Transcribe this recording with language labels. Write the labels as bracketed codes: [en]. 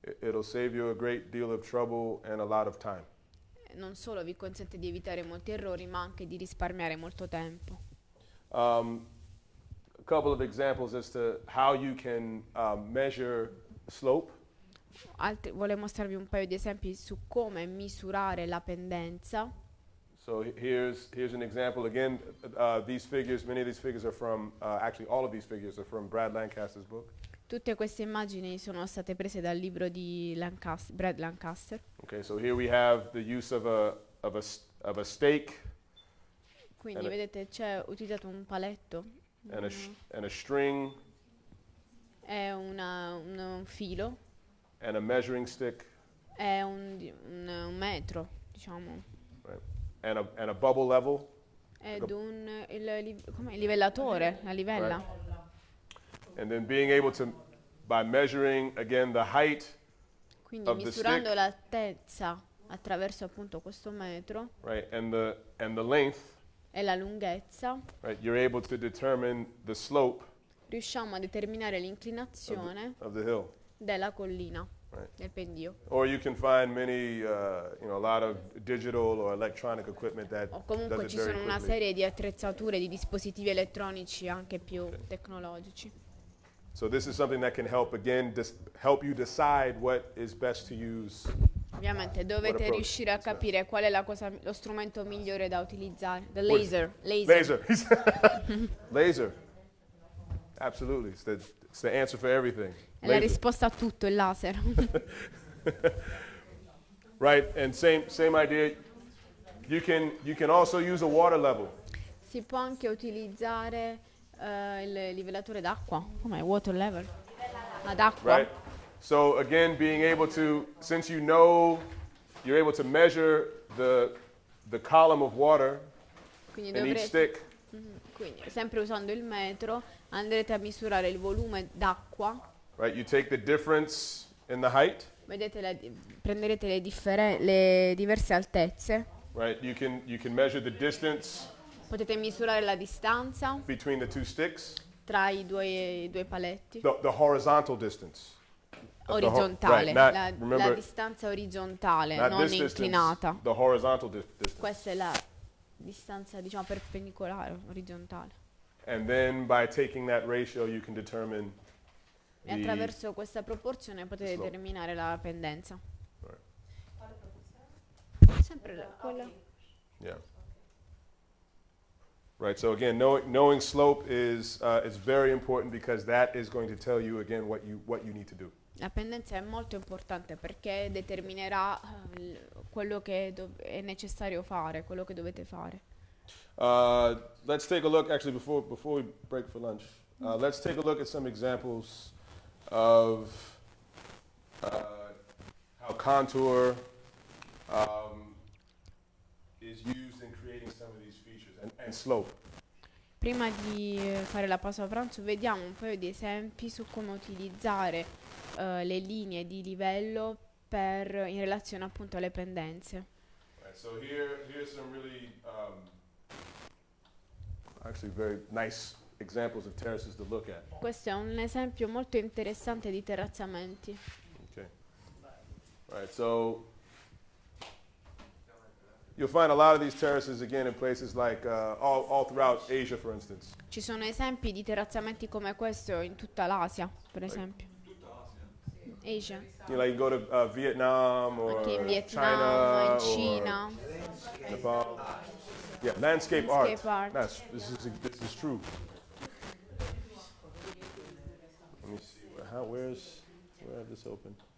[en] It'll save you a great deal of trouble and a lot of time. [it] Non solo vi consente di evitare molti errori, ma anche di risparmiare molto tempo. [en] A couple of examples as to how you can measure slope. [it] Volevo mostrarvi un paio di esempi su come misurare la pendenza. [en] So here's an example again. These figures, many of these figures are from, actually all of these figures are from Brad Lancaster's book. [it] Tutte queste immagini sono state prese dal libro di Brad Lancaster. [en] Okay, so here we have the use of a stake. [it] Quindi vedete, c'è utilizzato un paletto. [en] And a string. [it] È un filo. [en] And a measuring stick. [it] È un metro, diciamo. [en] Right. And a bubble level. [it] Ed un il livellatore, la livella. [en] Right. And then being able to, by measuring again the height. [it] Quindi misurando l'altezza attraverso appunto questo metro. [en] Right, and the length. [it] E la lunghezza. [en] Right, you're able to determine the slope. [it] Riusciamo a determinare l'inclinazione [en] of the hill. [it] Della collina. [en] Right. Or you can find many, a lot of digital or electronic equipment that. [it] O comunque [en] does it very [it] sono [en] quickly. [it] Una serie di attrezzature, di dispositivi elettronici anche più tecnologici. [en] So this is something that can help again help you decide what is best to use. [it] Ovviamente dovete riuscire a capire qual è lo strumento migliore da utilizzare. [en] The laser. Laser. Laser. Absolutely. It's the answer for everything. [it] La risposta a tutto il laser. [en] Right, and same idea. You can also use a water level. [it] Si può anche utilizzare il livellatore d'acqua, come [en] water level. [it] Ad acqua. [en] Right. So again, being able to, since you know, you're able to measure the column of water. [it] Quindi [en] in each stick. [it] Quindi sempre usando il metro, andrete a misurare il volume d'acqua. [en] Right, you take the difference in the height. [it] Vedete, prenderete le diverse altezze. [en] Right, you can measure the distance. [it] Potete misurare la distanza. [en] Between the two sticks. [it] Tra i due paletti. [en] The horizontal distance. [it] Orizzontale. La distanza orizzontale, non inclinata. [en] The horizontal distance. [it] Questa è la distanza, diciamo, perpendicolare, orizzontale. [en] And then by taking that ratio, you can determine. [it] E attraverso questa proporzione potete determinare la pendenza. [en] Right. [it] Sempre quella. [en] Yeah. Right. So again, knowing slope is very important because that is going to tell you again what you need to do. [it] La pendenza è molto importante perché determinerà quello che è necessario fare, quello che dovete fare. [en] Let's take a look. Actually, before we break for lunch, let's take a look at some examples of how contour is used in creating some of these features and slope. [it] Prima di fare la pausa pranzo, vediamo un paio di esempi su come utilizzare le linee di livello per in relazione appunto alle pendenze. [en] Right, so here's some really actually very nice examples of terraces to look at. [it] Questo è un esempio molto interessante di terrazzamenti. [en] Okay. All right, so you'll find a lot of these terraces again in places like all throughout Asia, for instance. [it] Ci sono esempi di terrazzamenti come questo in tutta l'Asia, per esempio. [en] Asia. You know, like you go to Vietnam or [it] Vietnam, Cina. [en] Or Nepal. Yeah, landscape art. This is true. Let me see. Where is this open?